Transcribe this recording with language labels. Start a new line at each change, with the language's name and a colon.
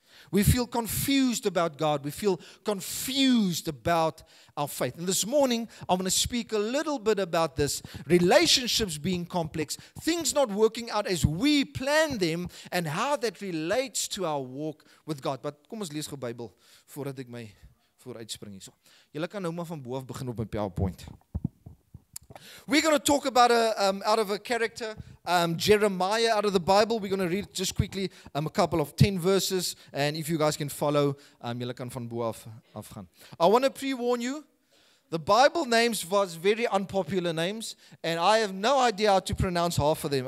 English: We feel confused about God. We feel confused about our faith. And this morning, I'm going to speak a little bit about this. Relationships being complex, things not working out as we plan them, and how that relates to our walk with God.
Afrikaans: But kom ons lees gou Bybel voordat ek my vooruitspring hierso. Julle kan nou maar van bo af begin op my PowerPoint.
English: We're going to talk about out of a character, Jeremiah, out of the Bible. We're going to read just quickly a couple of 10 verses. And if you guys can follow, you can from
Afrikaans: bo af gaan.
English: I want to pre-warn you, the Bible names was very unpopular names, and I have no idea how to pronounce half of them.